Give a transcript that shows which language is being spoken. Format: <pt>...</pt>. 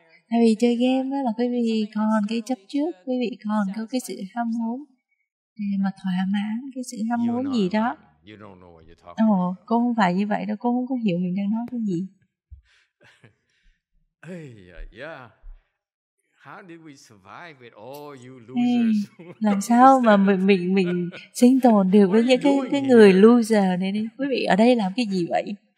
<vi>Tại vì chơi game đó là quý vị còn cái chấp trước, quý vị còn có cái sự ham muốn mà thỏa mãn cái sự ham muốn gì đó. Cô không phải như vậy đâu, cô không có hiểu mình đang nói cái gì.</vi> <en>How did we survive with all you losers?</en> <vi>Làm sao mà mình sinh tồn được với những cái người loser này đi? Quý vị ở đây làm cái gì vậy?</vi>